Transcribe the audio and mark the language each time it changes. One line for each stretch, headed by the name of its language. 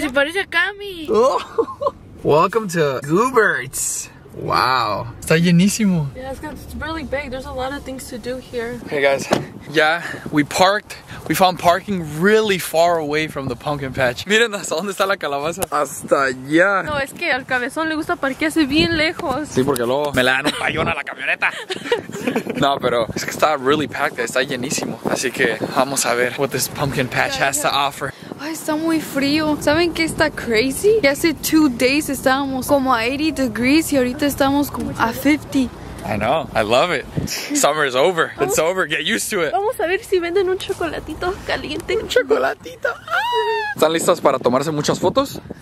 Spanish: Se parece a Cami.
English: Welcome to Gooberts. Wow.
Spanish: Está llenísimo.
English: Yeah, it's really big, there's a lot of things to do here. Hey guys, yeah, we parked. We found parking really far away from the pumpkin patch.
Spanish: Miren hasta dónde está la calabaza. Hasta allá. No, es que al cabezón le gusta parquearse bien lejos. Sí, porque luego me la dan un payón a la camioneta. No, pero es que está
English: really packed.
Spanish: Está llenísimo. Así que vamos a ver
English: what this pumpkin patch has to offer.
Spanish: Ay, está muy frío. ¿Saben qué está crazy? Que hace 2 days estábamos como a 80 degrees y ahorita estamos como a 50.
English: I know, I love it. Summer is over. It's over. Get used to it.
Spanish: Vamos a ver si venden un chocolatito caliente. Un chocolatito. ¿Están listas para tomarse muchas fotos?